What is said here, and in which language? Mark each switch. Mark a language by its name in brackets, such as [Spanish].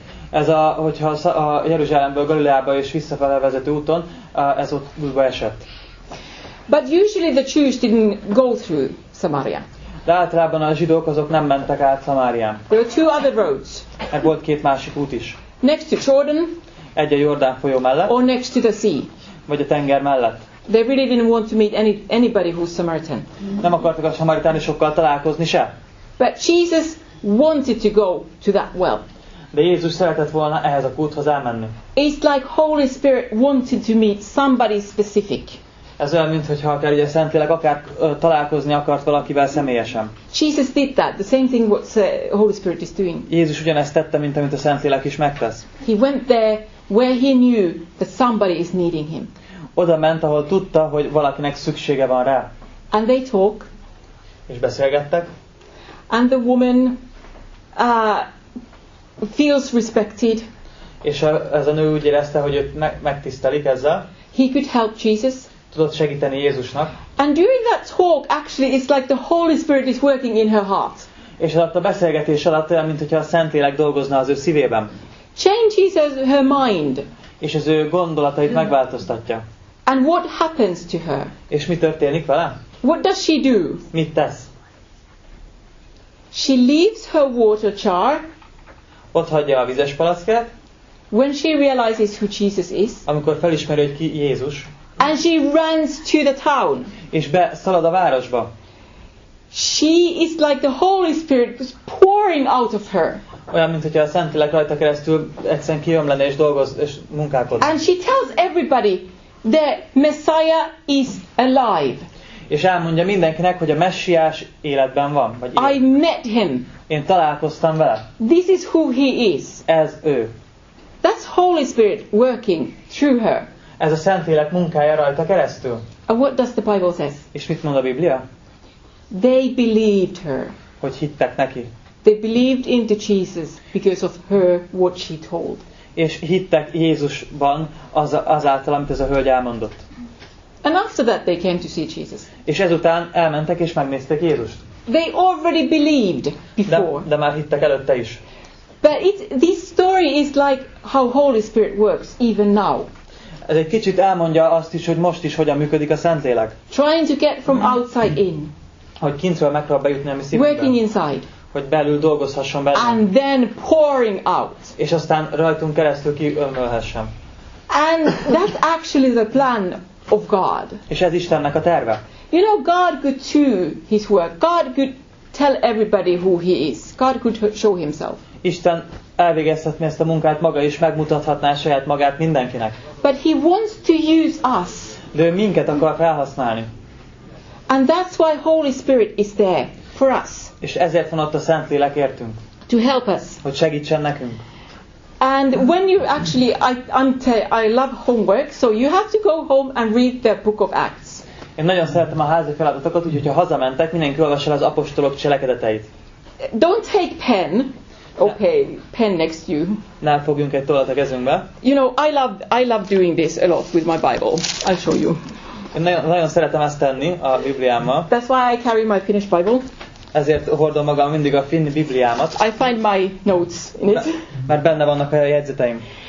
[Hungarian] Ez a, hogyha a Jeruzsálemből Galileába és visszafele vezető úton, ez ott útba esett. [English] But usually the Jews didn't go through Samaria. [Hungarian] De általában a zsidók azok nem mentek át Samárián. [English] There were two other roads. [Hungarian] Meg volt két másik út is. [English] Next to Jordan. [Hungarian] Egy a Jordán folyó mellett. [English] Or next to the sea. [Hungarian] Vagy a tenger mellett. [English] They really didn't want to meet anybody who's Samaritan. [Hungarian] Nem akartak a samaritánusokkal találkozni se. [English] But Jesus wanted to go to that well. [Hungarian] De Jézus szeretett volna ehhez a kúthoz elmenni. [English] It's like Holy Spirit wanted to meet somebody specific. [Hungarian] Ez olyan, mint hogyha akár ugye Szentlélek akár találkozni akart valakivel személyesen. [English] Jesus did that, the same thing what the Holy Spirit is doing. [Hungarian] Jézus ugyanezt tette, mint amit a Szentlélek is megtesz. [English] He went there where he knew that somebody is needing him. [Hungarian] Oda ment, ahol tudta, hogy valakinek szüksége van rá. [English] And they talk. [Hungarian] És beszélgettek. [English] And the woman feels respected. [Hungarian] És ez a nő úgy érezte, hogy őt megtisztelik ezzel. [English] He could help Jesus. [Hungarian] Tudott segíteni Jézusnak. [English] And during that talk, actually, it's like the Holy Spirit is working in her heart. [Hungarian] És alatt a beszélgetés alatt olyan, mint hogyha a Szentlélek dolgozna az ő szívében. [English] Changes her mind. [Hungarian] És az ő gondolatait megváltoztatja. [English] And what happens to her? [Hungarian] És mi történik vele? [English] What does she do? [Hungarian] Mit tesz? [English] She leaves her water jar. [Hungarian] Ott hagyja a vizes palackját. [English] When she realizes who Jesus is. [Hungarian] Amikor felismeri, hogy ki Jézus. [English] And she runs to the town. [Hungarian] És beszalad a városba. [English] She is like the Holy Spirit was pouring out of her. [Hungarian] Olyan, mint hogyha a Szentlélek rajta keresztül egyszerűen kiömlene és dolgoz és munkálkodna. [English] And she tells everybody the Messiah is alive. [Hungarian] És elmondja mindenkinek, hogy a Messiás életben van. Vagy [English] I met him. [Hungarian] Én találkoztam vele. [English] This is who he is. [Hungarian] Ez ő. [English] That's Holy Spirit working through her. [Hungarian] Ez a Szentlélek munkája rajta keresztül. [English] And what does the Bible says? [Hungarian] És mit mond a Biblia? [English] They believed her. [Hungarian] Hogy hittek neki. [English] They believed into Jesus because of her what she told. [Hungarian] És hittek Jézusban azáltal, amit ez a hölgy elmondott. [English] And after that they came to see Jesus. [Hungarian] És ezután elmentek és megnéztek Jézust. [English] They already believed before. [Hungarian] De már hittek előtte is. [English] But this story is like how Holy Spirit works even now. [Hungarian] Ez egy kicsit elmondja azt is, hogy most is hogyan működik a Szentlélek. [English] Trying to get from outside in. [Hungarian] Hogy kintről megpróbál bejutni a mi szívünkbe. [English] Working inside. [Hungarian] Hogy belül dolgozhasson bennünk. [English] And then pouring out. [Hungarian] És aztán rajtunk keresztül kiömlőhessen. [English] And that's actually the plan of God. [Hungarian] És ez Istennek a terve. [English] You know, God could do his work. God could tell everybody who he is. God could show himself. [Hungarian] Isten elvégezhetné ezt a munkát maga is, megmutathatná saját magát mindenkinek. [English] But he wants to use us. [Hungarian] De ő minket akar felhasználni. [English] And that's why Holy Spirit is there for us. [Hungarian] És ezért van ott a Szentlélek értünk. [English] To help us. [Hungarian] Hogy segítsen nekünk. [English] And when you actually, I love homework, so you have to go home and read the book of Acts. [Hungarian] Én nagyon szeretem a házi feladatokat, úgyhogy ha hazamentek, mindenki olvass el az apostolok cselekedeteit. [English] Don't take pen. Okay, pen next to you. [Hungarian] Nem fogjunk egy tollat a kezünkbe. [English] You know, I love doing this a lot with my Bible. I'll show you. [Hungarian] Én nagyon szeretem ezt tenni a Bibliámmal. [English] That's why I carry my Finnish Bible. [Hungarian] Ezért hordom magam mindig a finn Bibliámat. [English] I find my notes in it. [Hungarian] Mert benne vannak a jegyzeteim.